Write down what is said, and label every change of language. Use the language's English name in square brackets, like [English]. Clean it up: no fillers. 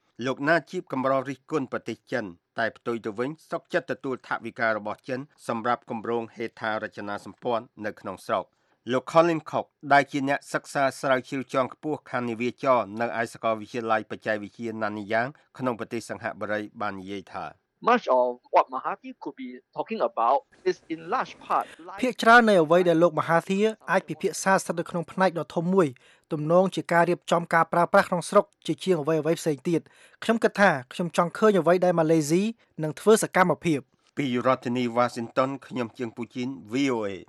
[Khmer] លោកណាជីបកម្ររិះគន់ប្រទេសចិនតែផ្ទុយទៅវិញសោកចិត្តទទួលថាវិការរបស់ចិនសម្រាប់គម្រោងហេដ្ឋារចនាសម្ព័ន្ធនៅក្នុងស្រុកលោក Colin Cook ដែលជាអ្នកសិក្សាស្រាវជ្រាវចងខ្ពស់ខាងនាវាចរនៅឯសាកលវិទ្យាល័យបច្ចេកវិទ្យាណានីយ៉ាងក្នុងប្រទេសសិង្ហបុរីបាននិយាយថា [English] much of what Mahathir could be talking about is in large part [Khmer] ភាគច្រើននៃអ្វីដែលលោកមហាធីអាចពិភាក្សាស្ថិតនៅក្នុងផ្នែកដ៏ធំមួយទំនងជាការរៀបចំការប្រើប្រាស់ក្នុងស្រុកជាជាងអ្វីអ្វីផ្សេងទៀតខ្ញុំគិតថាខ្ញុំចង់ឃើញអ្វីដែលម៉ាឡេស៊ីនឹងធ្វើសកម្មភាព ពីរដ្ឋធានី Washington ខ្ញុំជាងពូជីន VOA